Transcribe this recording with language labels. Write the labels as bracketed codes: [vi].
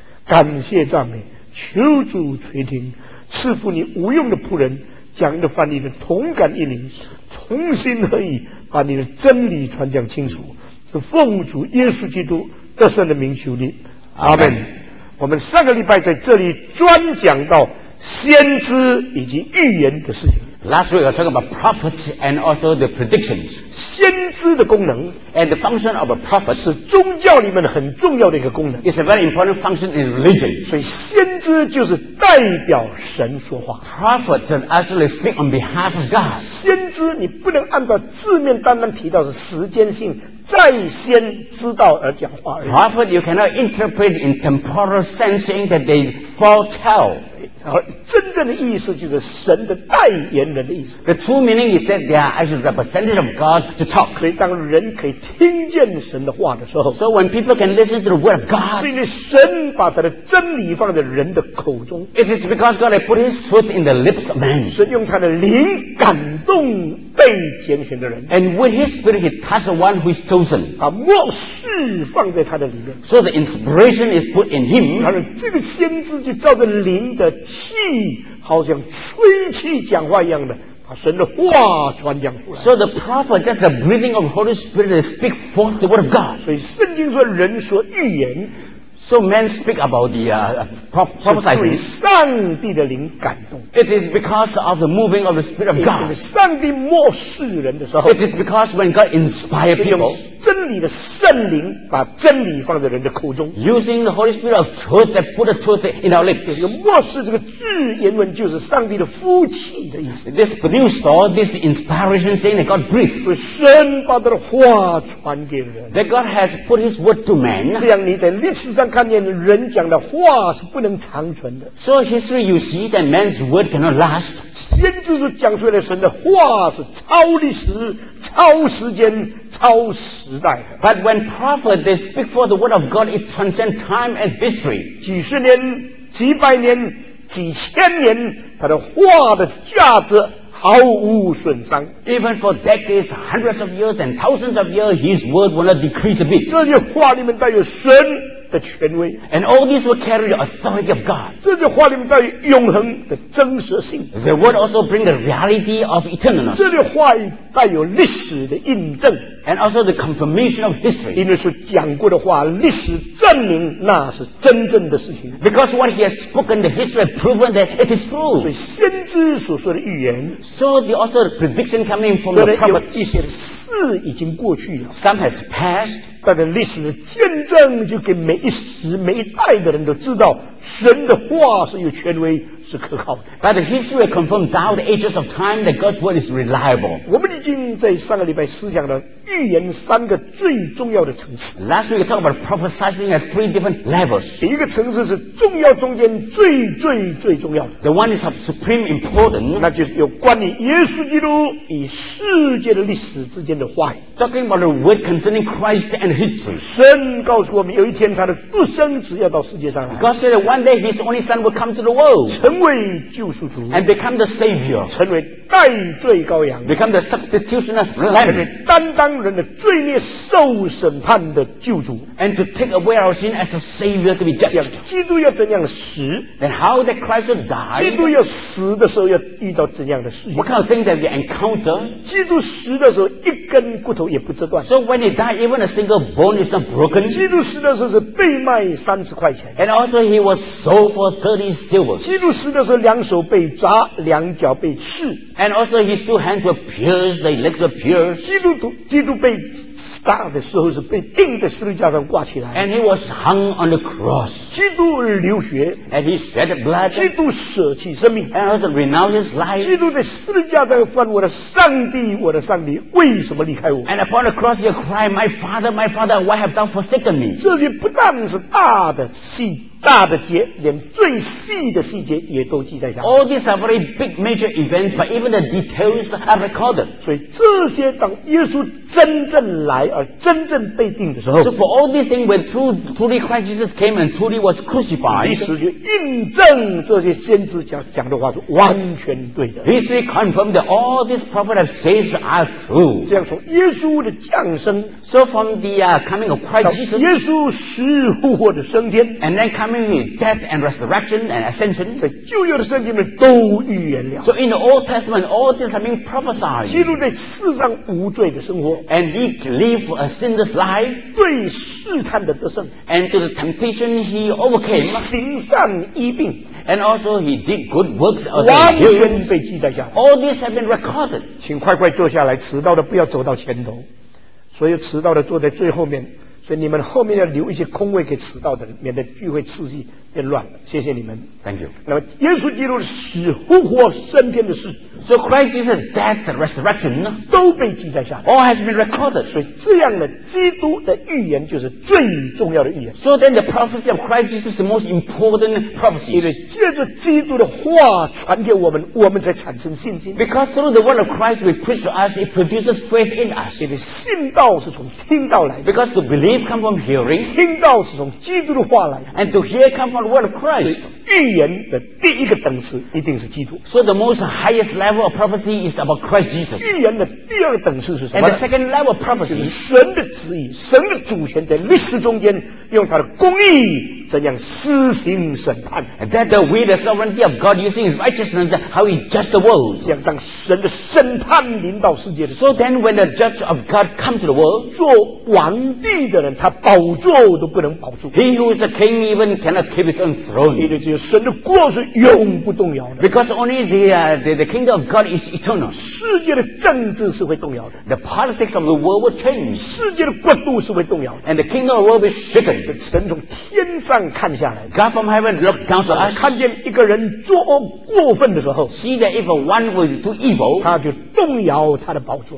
[zh] 感谢赞美，求主垂听，赐福你无用的仆人讲的翻译的同感一灵，同心合意把你的真理传讲清楚，是奉主耶稣基督得胜的名求你。阿们。我们上个礼拜在这里专讲到先知以及预言的事情。 [en] Last week, I was talking about prophets and also the predictions. [zh] 先知的功能 [en] and the function of a prophet [zh] 是宗教里面很重要的一个功能。 [en] It's a very important function in religion. [zh] 所以先知就是代表神说话。 [en] Prophets actually speak on behalf of God. [zh] 先知你不能按照字面单单提到的时间性在先知道而讲话而已。 [en] Prophet, you cannot interpret in temporal sensing that they foretell. [zh] 而真正的意思就是神的代言人的意思。 [en] The true meaning is that they are actually representative of God to talk. [zh] 所以当人可以听见神的话的时候 [en] ，So when people can listen to the word of God, [zh] 是因为神把他的真理放在人的口中。 [en] It is because God has put His truth in the lips of man. [zh] 神用他的灵感动被拣选的人。 [en] And with His spirit, He touches the one who is chosen. [zh] 把默示放在他的里面。 [en] So the inspiration is put in Him. [zh] 然后这个先知就照着灵的。气好像吹气讲话一样的，把神的话传讲出来。 [en] So the prophet just a breathing of Holy Spirit to speak forth the word of God. [zh] 所以圣经说人说预言。 [en] So men speak about the prophesying. [zh] 是上帝的灵感动。 [en] It is because of the moving of the Spirit of God. [zh] 是上帝默示人的时候。 [en] It is because when God inspires people. [zh] 真理的圣灵把真理放在人的口中 [en] using the Holy Spirit of truth that put the truth in our lips [zh] 这个默示这个字原文就是上帝的呼气的意思 [en] this produced all this inspiration saying that God breathed [zh] 所以神把他的话传给人 [en] that God has put his word to man [zh] 这样你在历史上看见人讲的话是不能长存的 [en] so history you see that man's word cannot last [zh] 先知所讲出来的神的话是超历史超时间超时 [en] But when prophets they speak for the word of God, it transcends time and history. [zh] 几十年、几百年、几千年，他的话的价值毫无损伤。 [en] Even for decades, hundreds of years, and thousands of years, his word will not decrease a bit. [zh] 这些话里面带有神的权威。 [en] And all these will carry the authority of God. [zh] 这些话里面带有永恒的真实性。 [en] The word also brings the reality of eternity. [zh] 这些话带有历史的印证。 [en] And also the confirmation of history. [zh] 因为是讲过的话，历史证明那是真正的事情。 [en] Because what he has spoken, the history has proven that it is true. [zh] 所以先知所说的预言。 [en] So the also the prediction coming from the prophet. [zh] 一些事已经过去了。 [en] Some has passed. [zh] 但是历史的见证就给每一时每一代的人都知道，神的话是有权威。是可靠的。 [en] But the history has confirmed down the ages of time that God's word is reliable. [zh] 我们已经在上个礼拜思想了预言三个最重要的层次。 [en] Last week we talked about prophesying at three different levels. [zh] 第一个层次是重要中间最最最重要的。 [en] The one is of supreme importance. [zh] 那就是有关于耶稣基督与世界的历史之间的话语。 [en] Talking about the word concerning Christ and history. [zh] 神告诉我们有一天他的独生子要到世界上来。 [en] God said that one day his only son will come to the world. [zh] 成为救赎主 [en] and become the savior [zh] 成为代罪羔羊 [en] become the substitutionary lamb [zh] 成为担当人的罪孽受审判的救主 [en] and to take away our sin as a savior to be judged [zh] 基督要怎样死 [en] and how that Christ will die [zh] 基督要死的时候要遇到怎样的事情 [en] what kind of things that we encounter [zh] 基督死的时候一根骨头也不折断 [en] so when he died even a single bone is not broken [zh] 基督死的时候是被卖30块钱 [en] and also he was sold for 30 silver [zh] 基督死的时候两手被砸两脚被刺 [en] and also his two hands were pierced the legs were pierced [zh] 基督被杀的时候是被钉在十字架上挂起来 [en] and he was hung on the cross [zh] 基督流血 [en] and he shed blood [zh] 基督舍弃生命 [en] and also renounced his life [zh] 基督在十字架上翻我的上帝我的上帝为什么离开我 [en] and upon the cross he cried my father why have thou forsaken me [zh] 这些不但是大的戏大的节连最细的细节也都记在下面 [en] All these are very big major events but even the details are recorded [zh] 所以这些当耶稣真正来而真正被钉的时候 [en] So for all these things when truly Christ Jesus came and truly was crucified [zh] 历史就印证这些先知 讲的话是完全对的 [en] History confirmed that all these prophets have said are true [zh] 这样从耶稣的降生 [en] So from the coming of Christ Jesus [zh] 耶稣死复活的升天 [en] And then coming in death and resurrection and ascension [zh] 在旧约的圣经里都预言了 [en] so in the Old Testament all this have been prophesied [zh] 基督在世上无罪的生活 [en] and he lived a sinless life [zh] 对试探的得胜 [en] and to the temptation he overcame [zh] 行善医病 [en] and also he did good works [zh] 完全被记在下 [en] all this have been recorded [zh] 请快快坐下来迟到的不要走到前头所有迟到的坐在最后面所以你们后面要留一些空位给迟到的人免得聚会次序变乱了谢谢你们 [en] Thank you [zh] 那么耶稣基督的死复活升天的事 [en] So Christ Jesus death and resurrection [zh] 都被记在下面 [en] All has been recorded [zh] 所以这样的基督的预言就是最重要的预言 [en] So then the prophecy of Christ Jesus is the most important prophecy [zh] 因为借着基督的话传给我们我们才产生信心 [en] Because through the word of Christ we preach to us it produces faith in us [zh] 因为信道是从听道来的 [en] Because to believe come from hearing [zh] 听到是从基督的话来的 [en] and to hear come from the word of Christ [zh] 预言的第一个等次一定是基督 [en] so the most highest level of prophecy is about Christ Jesus [zh] 预言的第二个等次是什么 [en] and the second level of prophecy [zh] 就是神的旨意神的主权在历史中间用他的公义怎样施行审判 [en] and that the way the sovereignty of God using his righteousness how he judged the world [zh] 这样让神的审判临到世界的 [en] so then when the judge of God comes to the world [zh] 做王帝的人他宝座都不能保住 [en] He who is a king even cannot keep his own throne [zh] 因为只有神的国是永不动摇的 [en] Because only the kingdom of God is eternal [zh] 世界的政治是会动摇的 [en] The politics of the world will change [zh] 世界的国度是会动摇的 [en] And the kingdom of the world will be shaken [zh] 神从天上看下来 [en] God from heaven looked down to us [zh] 看见一个人作恶过分的时候 [en] See that if one was too evil [zh] 他就动摇他的宝座